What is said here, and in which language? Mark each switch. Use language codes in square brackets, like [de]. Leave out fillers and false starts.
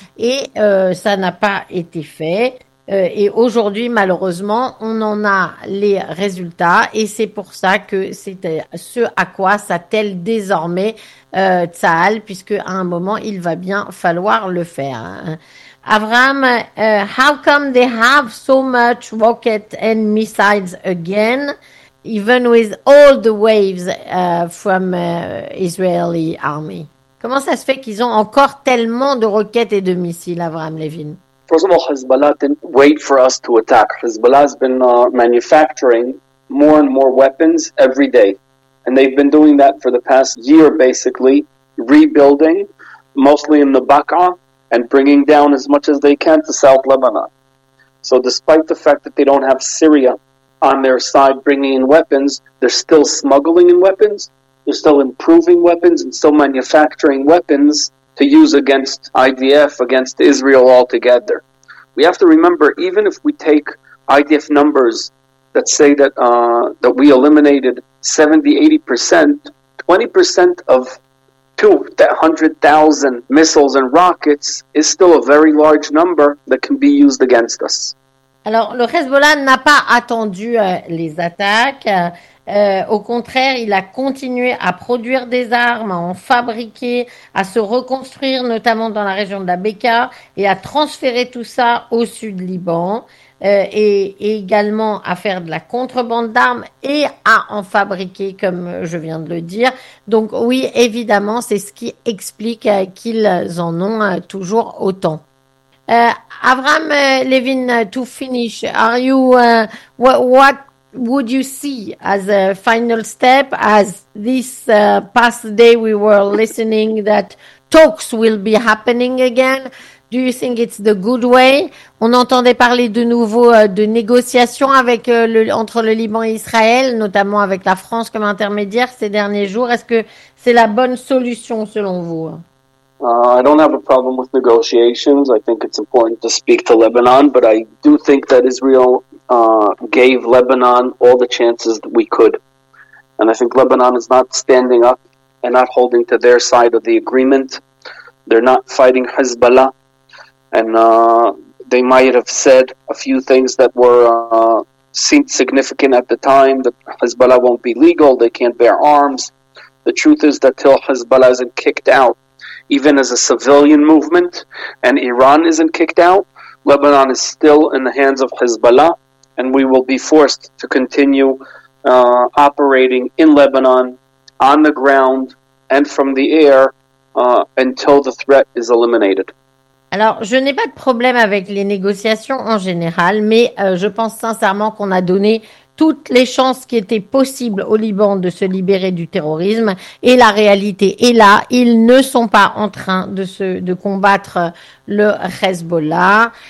[fr] Et ça n'a pas été fait. Et aujourd'hui, malheureusement, on en a les résultats et c'est pour ça que c'est ce à quoi s'attelle désormais Tzahal, puisque à un moment, il va bien falloir le faire. [en] Avram, how come they have so much rocket and missiles again, even with all the waves from Israeli army? [fr] Comment ça se fait qu'ils ont encore tellement de roquettes et de missiles, Avram Levin? [en] First of all, Hezbollah didn't wait for us to attack. Hezbollah has been manufacturing more and more weapons every day. And they've been doing that for the past year, basically, rebuilding, mostly in the Baqa, and bringing down as much as they can to South Lebanon. So despite the fact that they don't have Syria on their side bringing in weapons, they're still smuggling in weapons, they're still improving weapons, and still manufacturing weapons to use against IDF, against Israel altogether. We have to remember, even if we take IDF numbers that say that that we eliminated 70-80%, 20% of 200,000 missiles and rockets is still a very large number that can be used against us. [fr] Alors, le Hezbollah n'a pas attendu les attaques. Au contraire, il a continué à produire des armes, à en fabriquer, à se reconstruire, notamment dans la région de la Beka, et à transférer tout ça au sud Liban, et également à faire de la contrebande d'armes et à en fabriquer, comme je viens de le dire. Donc oui, évidemment, c'est ce qui explique qu'ils en ont toujours autant. [en] Avram Levin, to finish, are you what would you see as a final step, as this past day we were listening that talks will be happening again? Do you think it's the good way? [fr] On entendait parler de nouveau de négociations avec entre le Liban et Israël, notamment avec la France comme intermédiaire ces derniers jours. Est-ce que c'est la bonne solution selon vous? [en] I don't have a problem with negotiations. I think it's important to speak to Lebanon, but I do think that Israel gave Lebanon all the chances that we could. And I think Lebanon is not standing up and not holding to their side of the agreement. They're not fighting Hezbollah. And they might have said a few things that were seemed significant at the time, that Hezbollah won't be legal, they can't bear arms. The truth is that till Hezbollah isn't kicked out, even as a civilian movement, and Iran isn't kicked out, Lebanon is still in the hands of Hezbollah, and we will be forced to continue operating in Lebanon, on the ground, and from the air, until the threat is eliminated. [fr] Alors, je n'ai pas de problème avec les négociations en général, mais je pense sincèrement qu'on a donné toutes les chances qui étaient possibles au Liban de se libérer du terrorisme. Et la réalité est là, ils ne sont pas en train de combattre le Hezbollah.